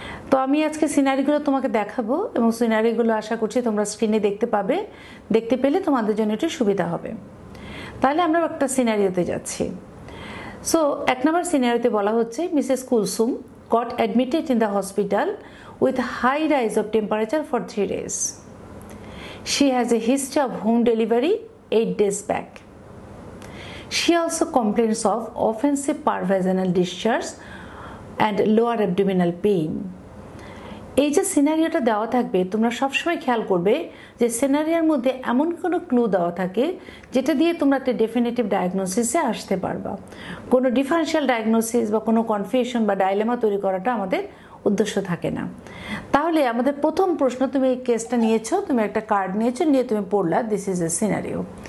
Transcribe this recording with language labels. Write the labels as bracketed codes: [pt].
[bn] তো আমি আজকে সিনারিগুলো তোমাকে দেখাবো এবং সিনারিগুলো আশা করছি তোমরা স্ক্রিনে দেখতে পাবে দেখতে পেলে তোমাদের জন্য একটু সুবিধা হবে তাহলে আমরা একটা সিনারিওতে যাচ্ছি সো এক নম্বর সিনারিওতে বলা হচ্ছে Mrs Kulsum [en] Got admitted in the hospital with high rise of temperature for 3 days. She has a history of home delivery 8 days back. She also complains of offensive parvaginal discharge and lower abdominal pain. [bn] এই যে সিনারিওটা দেওয়া থাকবে তোমরা সবসময় খেয়াল করবে যে সিনারিওর মধ্যে এমন কোনো ক্লু দেওয়া থাকে যেটা দিয়ে তোমরা একটা ডেফিনেটিভ ডায়াগনোসিসে আসতে পারবা কোনো ডিফারেনশিয়াল ডায়াগনোসিস বা কোনো কনফিউশন বা ডাইলেমা তৈরি করাটা আমাদের উদ্দেশ্য থাকে না তাহলে আমাদের প্রথম প্রশ্ন তুমি এই কেসটা নিয়েছো তুমি একটা কার্ড নিয়েছো নিয়ে তুমি পড়লা [en] this is a scenario